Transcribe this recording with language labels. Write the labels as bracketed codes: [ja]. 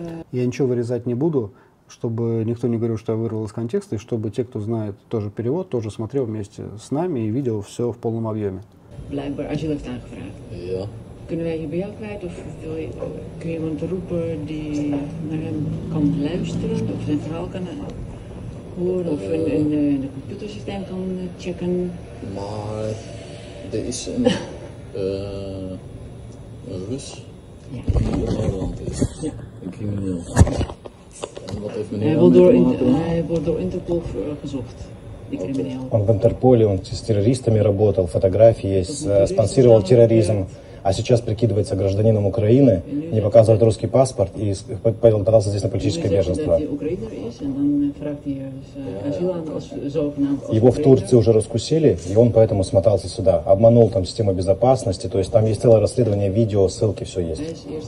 [ru] Я ничего вырезать не буду, чтобы никто не говорил, что я вырвал из контекста, и чтобы те, кто знает тоже перевод, тоже смотрел вместе с нами и видел все в полном объеме. [nl] blijkbaar asiel heeft aangevraagd. Ja. Kunnen wij je bij jou kwijt of kun je iemand roepen die naar hem kan luisteren of zijn verhaal kan horen of in de computersysteem kan checken? Maar er is een, een Rus die in Nederland is, ja. Een crimineel. En wat heeft hij wordt door, Interpol gezocht. [ru] Он в Интерполе, он с террористами работал, фотографии есть, спонсировал терроризм, а сейчас прикидывается гражданином Украины, не показывает русский паспорт и подался здесь на политическое беженство. Его в Турции уже раскусили, и он поэтому смотался сюда, обманул там систему безопасности, то есть там есть целое расследование, видео, ссылки, все есть.